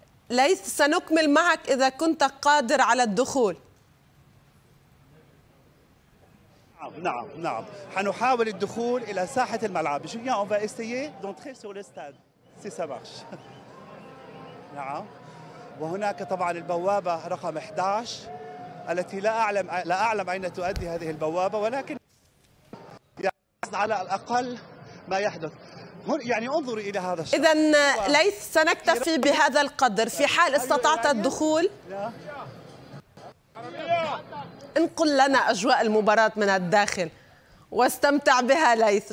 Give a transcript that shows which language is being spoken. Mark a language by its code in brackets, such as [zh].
[ar] ليث سنكمل معك إذا كنت قادر على الدخول. نعم، حنحاول الدخول إلى ساحة الملعب. [fr] جوليان، on va essayer d'entrer sur le stade. Si ça marche. [ar] نعم. وهناك طبعا البوابة رقم 11 التي لا أعلم أين تؤدي هذه البوابة، ولكن يعني على الأقل ما يحدث يعني انظري إلى هذا الشخص. إذن ليث سنكتفي بهذا القدر، في حال استطعت الدخول انقل لنا أجواء المباراة من الداخل واستمتع بها ليث.